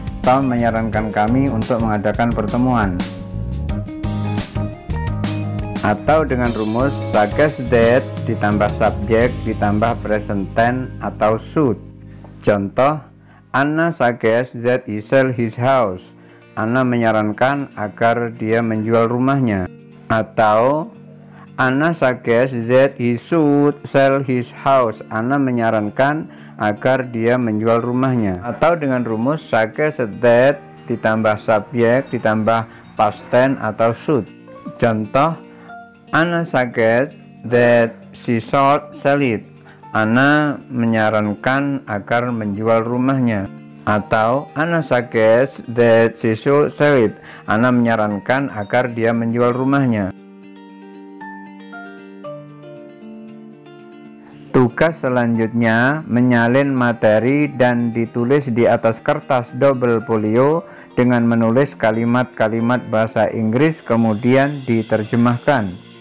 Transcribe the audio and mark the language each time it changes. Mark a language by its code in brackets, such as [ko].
[id] Tom menyarankan kami untuk mengadakan pertemuan. Atau dengan rumus suggest that ditambah subject ditambah present tense atau should. [en] Contoh, Anna suggests that he sell his house. [id] Anna menyarankan agar dia menjual rumahnya. [en] Atau, Anna suggests that he should sell his house. [id] Anna menyarankan agar dia menjual rumahnya. Atau dengan rumus suggest that ditambah subject ditambah past tense atau should. [en] Contoh, Anna suggests that she should sell it. [id] Anna menyarankan agar menjual rumahnya. [en] Atau Anna suggests that she should sell it. [id] Anna menyarankan agar dia menjual rumahnya. Tugas selanjutnya, menyalin materi dan ditulis di atas kertas double folio dengan menulis kalimat-kalimat bahasa Inggris kemudian diterjemahkan.